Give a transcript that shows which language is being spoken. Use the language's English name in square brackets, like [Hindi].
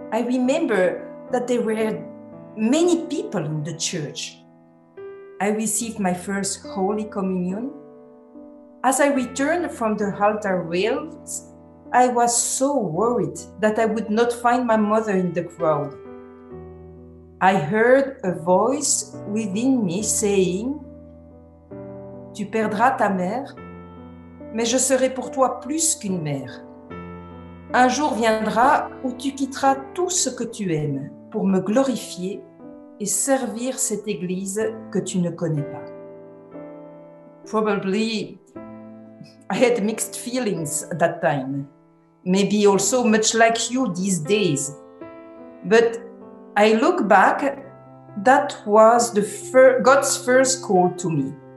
[English] I remember that there were many people in the church. I received my first Holy Communion. As I returned from the altar rails, I was so worried that I would not find my mother in the crowd. I heard a voice within me saying, [French] "Tu perdras ta mère, mais je serai pour toi plus qu'une mère. Un jour viendra où tu quitteras tout ce que tu aimes pour me glorifier et servir cette église que tu ne connais pas." [English] Probably, I had mixed feelings at that time. Maybe also much like you these days. But I look back, that was God's first call to me.